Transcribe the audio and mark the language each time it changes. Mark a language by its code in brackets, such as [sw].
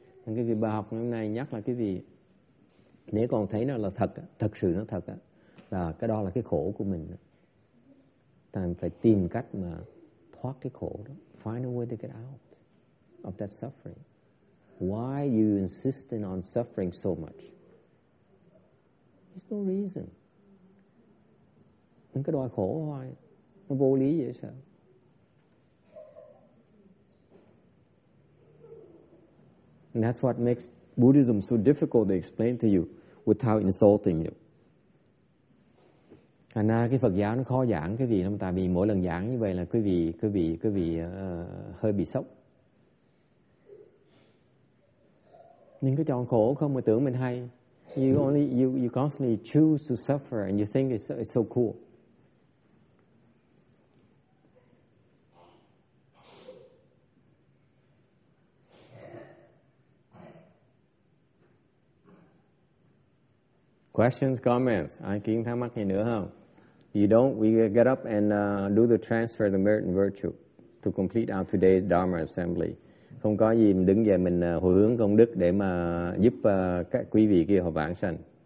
[vi] Thằng cái vị bài học hôm nay nhắc là cái gì? Nếu còn thấy nó là thật, thật sự nó thật, là cái đó là cái khổ của mình. Ta phải tìm cách mà thoát cái khổ đó. [en] Find a way to get out of that suffering. Why you insisting on suffering so much? There's no reason. [vi] Mình cứ đòi khổ hoài. Nó vô lý vậy sao? [en] And that's what makes Buddhism so difficult to explain to you without insulting you. [vi] Anh cái Phật giáo nó khó giảng cái gì lắm, tại vì mỗi lần giảng như vậy là quý vị hơi bị sốc. Nhưng cái chọn khổ không mà tưởng mình hay. [en] You constantly choose to suffer and you think it's so cool. Questions, comments, [vi] ai kiến thắc mắc gì nữa không? [en] You don't, we get up and do the transfer of the merit and virtue to complete our today's Dharma assembly. [vi] Không có gì mình đứng dậy mình hồi hướng công đức để mà giúp các quý vị kia họ vãng sanh.